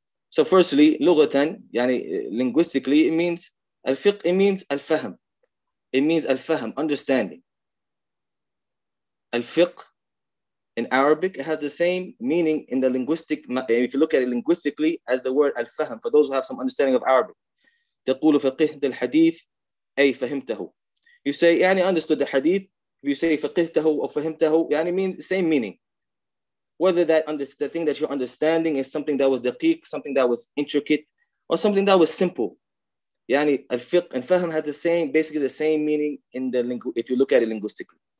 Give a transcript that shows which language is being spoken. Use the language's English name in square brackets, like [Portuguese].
[English] So firstly, lughatan, [Arabic] يعني [English] linguistically, it means al-fiqh, it means al-fahm. It means al-fahm, understanding. Al-fiqh, in Arabic, it has the same meaning in the linguistic, if you look at it linguistically, as the word al-fahm, for those who have some understanding of Arabic. [Arabic] تقول فقهت الحديث أي فهمته. [English] You say, [Arabic] يعني [English] understood the hadith, you say [Arabic] فقهته أو فهمته, [English] يعني means the same meaning. Whether that the thing that you're understanding is something that was daqiq, something that was intricate, or something that was simple. [Arabic] يعني [English] al-fiqh and fahm has the same, basically the same meaning in the if you look at it linguistically.